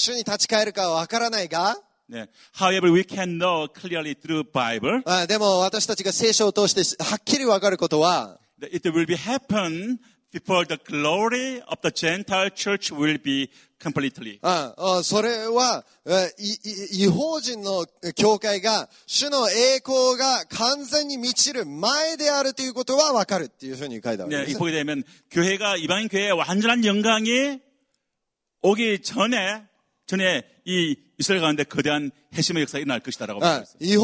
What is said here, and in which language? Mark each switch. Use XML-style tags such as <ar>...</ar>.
<ja>一番上に、私たちはユダヤ人がいつ主に立ち返るかわからないが。</ja> <en>네. However, we can know clearly through Bible.</en> <ja>でも私たちが聖書を通してはっきりわかることは。</ja> <en>It will be happen before the glory of the Gentile church will be completely.</en> <ja>それは、違法人の教会が主の栄光が完全に満ちる前であるということはわかるっていうふうに書いてあります。</ja> <ko>네, 보게 되면 교회가 이방인 교회의 완전한 영광이 오기 전에 이 이스라엘 가운데 거대한 핵심의 역사가 일어날 것이다라고 말했어요.</ko>